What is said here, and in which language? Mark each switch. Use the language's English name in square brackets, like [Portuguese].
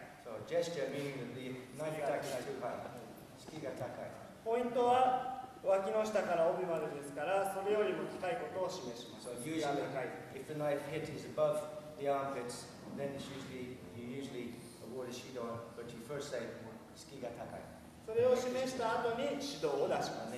[English] So gesture meaning that the knife attack is too high. [Japanese] Suki ga takai. Point wa. 脇の下から帯までですから、それよりも高いことを示します。 [English] So usually, if the knife hit is above the armpits, then it's usually, you usually award a shido, but you first say, [Japanese] suki ga takai. それを示した後に指導を出します。